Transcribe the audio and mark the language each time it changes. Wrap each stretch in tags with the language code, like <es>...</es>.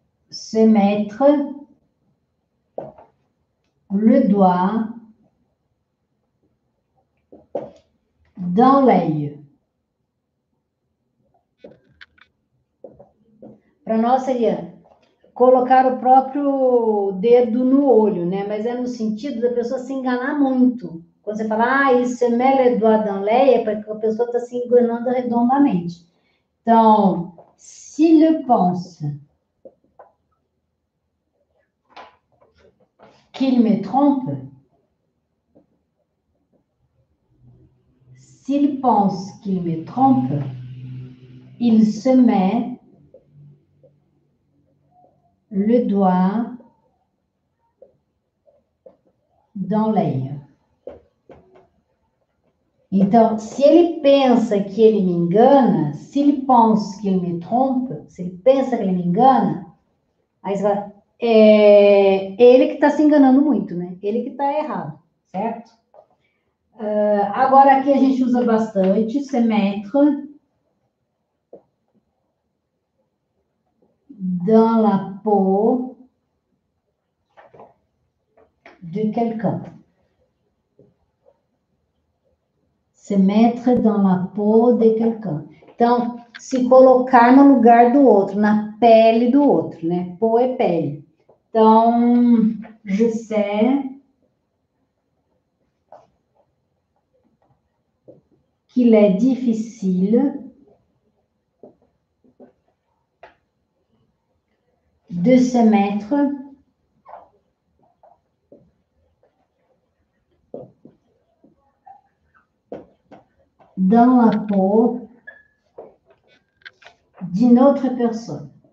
<fr>Se mettre le doigt dans l'œil.</fr> <pt>Para nós seria colocar o próprio dedo no olho, né? Mas é no sentido da pessoa se enganar muito. Quando você fala, ah, isso é mele do Adão Leia, é porque a pessoa está se enganando redondamente.</pt> <fr>Então, s'il pense qu'il me trompe, s'il pense qu'il me trompe, il se met le doigt dans l'œil.</fr> <pt>Então, se ele pensa que ele me engana, se ele pensa que ele me trompa, se ele pensa que ele me engana, aí você fala, é ele que está se enganando muito, né? Ele que está errado, certo? Agora, aqui a gente usa bastante,</pt> <fr>se mettre dans la peau de quelqu'un. Se mettre dans la peau de quelqu'un.</fr> <pt>Então, se colocar no lugar do outro, na pele do outro, né? Peau é pele.</pt> <fr>Então, je sais qu'il est difficile de se mettre dans la peau d'une autre personne.</fr>